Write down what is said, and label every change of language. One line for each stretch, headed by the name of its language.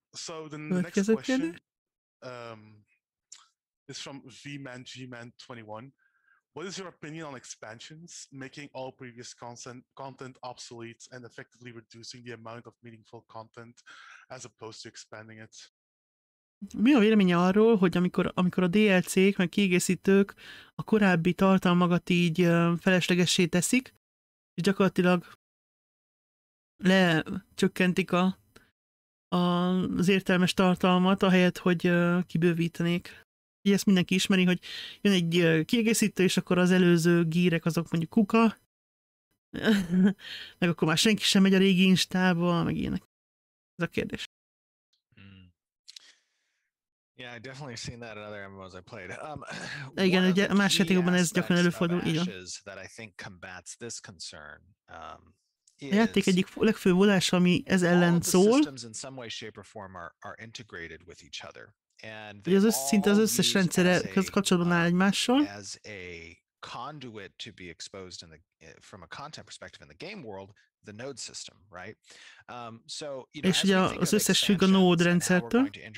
English: So the next question is from VMan21. What is your opinion on expansions making all previous content obsolete and effectively reducing the amount of meaningful content as opposed to expanding it?
Hungarian: Mi a véleménye arról, hogy amikor a DLC-k meg kiegészítők a korábbi tartalmagat így feleslegessé teszik, és gyakorlatilag lecsökkentik az értelmes tartalmat, ahelyett, hogy kibővítenék. Így ezt mindenki ismeri, hogy jön egy kiegészítő, és akkor az előző gírek azok mondjuk kuka, meg akkor már senki sem megy a régi instába, meg ilyenek. Ez a kérdés.
English: Yeah, I definitely seen that in other MMOs I played.
Hungarian: Igen, ugye más játékokban ez gyakran előfordul, igen.
English: That I think combats this concern.
Hungarian: A játék egyik legfőbb vonása, ami ez ellen szól.
English: In some way, shape, or form are integrated with each other. And
Hungarian: szinte az összes rendszere kapcsolatban áll egymással.
English: As a conduit to be exposed in the from a content perspective in the game world, the node system, right? So, you know,
Hungarian: és ugye az összes függ a node rendszertől.